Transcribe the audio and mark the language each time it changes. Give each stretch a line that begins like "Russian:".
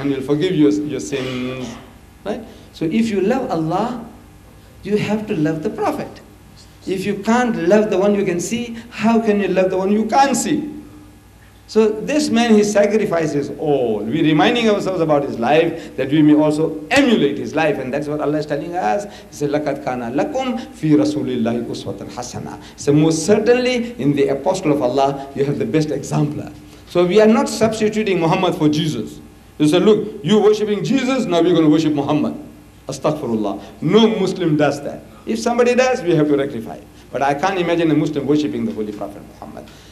English: And he'll forgive your sins. Right? So if you love Allah, you have to love the Prophet. If you can't love the one you can see, how can you love the one you can't see? So this man, he sacrifices all. We're reminding ourselves about his life, that we may also emulate his life. And that's what Allah is telling us. He said,
Arabic: لَكَدْ كَانَ لَكُمْ فِي رَسُولِ اللَّهِ أُسْوَةً حَسَنًا.
English: So most certainly, in the apostle of Allah, you have the best exemplar. So we are not substituting Muhammad for Jesus. You say, look, you're worshipping Jesus, now we're going to worship Muhammad. Astaghfirullah. No Muslim does that. If somebody does, we have to rectify it. But I can't imagine a Muslim worshipping the Holy Prophet Muhammad.